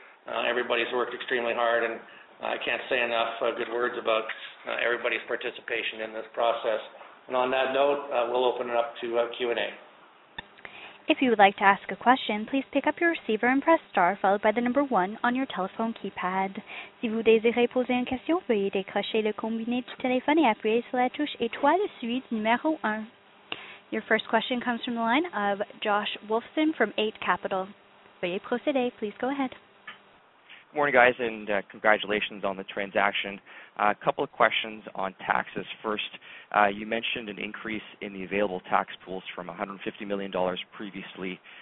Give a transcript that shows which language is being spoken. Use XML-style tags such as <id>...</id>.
<en>Everybody's worked extremely hard, and I can't say enough good words about everybody's participation in this process. And on that note, we'll open it up to Q&A. If you would like to ask a question, please pick up your receiver and press star followed by the number 1 on your telephone keypad.</en> <fr>Si vous désirez poser une question, veuillez décrocher le combiné du téléphone et appuyer sur la touche étoile suivie du numéro 1.</fr> <en>Your first question comes from the line of Josh Wolfson from 8 Capital.</en> <fr>Veuillez procéder.</fr> <en>Please go ahead. Good morning, guys, and congratulations on the transaction. A couple of questions on taxes. First, you mentioned an increase in the available tax pools from $150 million previously.</en>